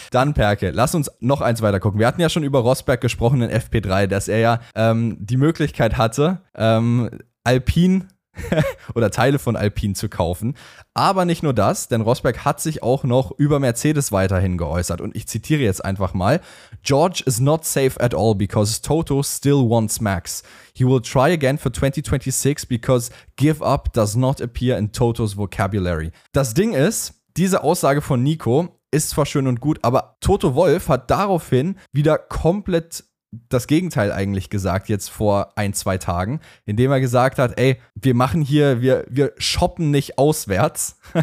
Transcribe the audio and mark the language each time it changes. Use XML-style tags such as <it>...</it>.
<de>Dann, Perke, lass uns noch eins weiter gucken. Wir hatten ja schon über Rosberg gesprochen in FP3, dass er ja die Möglichkeit hatte, Alpine oder Teile von Alpine zu kaufen. Aber nicht nur das, denn Rosberg hat sich auch noch über Mercedes weiterhin geäußert. Und ich zitiere jetzt einfach mal.</de> <en>George is not safe at all because Toto still wants Max. He will try again for 2026 because give up does not appear in Toto's vocabulary.</en> <de>Das Ding ist, diese Aussage von Nico ist zwar schön und gut, aber Toto Wolff hat daraufhin wieder komplett das Gegenteil eigentlich gesagt, jetzt vor 1-2 Tagen, indem er gesagt hat, ey, wir machen hier, wir shoppen nicht auswärts.</de>